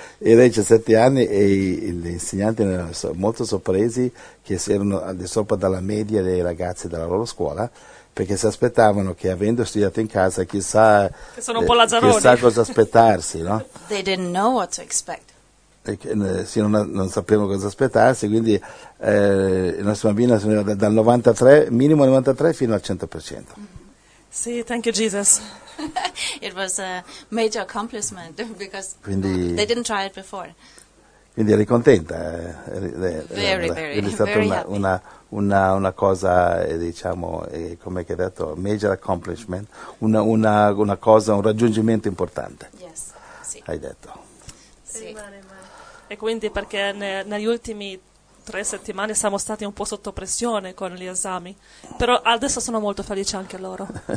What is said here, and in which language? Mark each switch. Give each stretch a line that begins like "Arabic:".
Italian: E lei c'ha 7 anni e gli insegnanti erano molto sorpresi che si erano al di sopra della media dei ragazzi della loro scuola, perché si aspettavano che avendo studiato in casa, chissà, che sono un po' lazzaroni. Chissà cosa aspettarsi, no?
English: They didn't know what to expect.
Italian: Sì, non sappiamo cosa aspettarsi, quindi il nostro bambino sono dal 93, minimo 93 fino al 100%.
English: Sì, thank you Jesus. It was a major accomplishment because quindi, they didn't try it before.
Italian: Quindi eri contenta?
English: Very, very.
Italian: È stata
English: very
Italian: una cosa, diciamo, come hai detto,
English: major accomplishment,
Italian: una cosa, un raggiungimento importante.
English: Yes, sì.
Italian: Hai detto. Sì. E quindi perché negli ultimi 3 settimane siamo stati un po' sotto pressione con gli esami, però adesso sono molto felice anche loro.